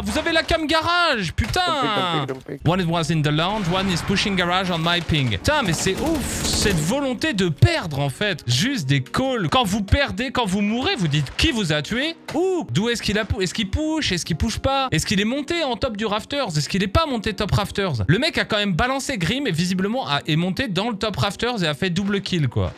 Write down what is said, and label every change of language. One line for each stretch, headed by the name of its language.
French: Vous avez la cam garage, putain!
English: Don't pick. One was in the lounge, one is pushing garage on my ping.
French: Putain, mais c'est ouf, cette volonté de perdre, en fait. Juste des calls. Quand vous perdez, quand vous mourrez, vous dites qui vous a tué? D'où est-ce qu'il a push? Est-ce qu'il push pas? Est-ce qu'il est monté en top du Rafters? Est-ce qu'il est pas monté top Rafters? Le mec a quand même balancé Grim et visiblement est monté dans le top Rafters et a fait double kill, quoi.